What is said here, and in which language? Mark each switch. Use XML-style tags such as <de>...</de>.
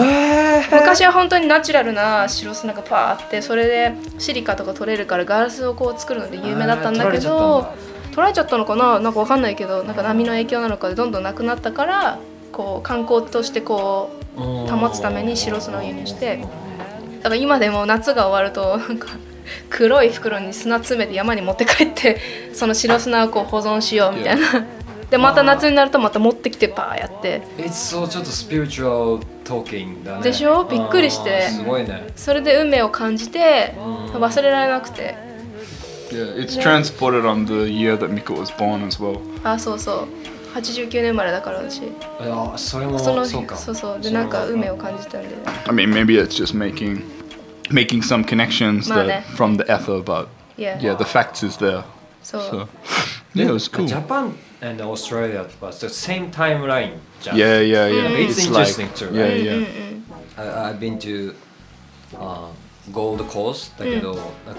<ja>ー、昔は本当にナチュラルな白砂がパーって、それでシリカとか取れるからガラスをこう作るので有名だったんだけど、取られちゃったのかな、なんかわかんないけど、なんか波の影響なのかでどんどんなくなったから、こう観光としてこう保つために白砂を輸入して、だから今でも夏が終わるとなんか黒い袋に砂詰めて山に持って帰ってその白砂をこう保存しようみたいな、でまた夏になるとまた持ってきてパーやって、</ja> <en>It's so</en> <ja>ちょっとスピリチュアルトーキングだね、でしょ、びっくりして、すごいね、それで運命を感じて忘れられなくて、</ja> <en>Yeah, it's transported on the year that Miko was born as well.</en> <ja>あ、そうそう、89年生まれだから私、あ、それもそうか、そうそう、でなんか運命を感じたんで、</ja> <en>I mean maybe it's just making some connections、</en> <ja>まあね、</ja> <en>from the ether, but yeah. Yeah, the facts is there. So yeah, it was cool. Japan and Australia was the same timeline. Yeah. Mm-hmm. It's interesting like, too, right? Yeah. Mm-hmm. I've been to Gold Coast, but、mm-hmm.</en>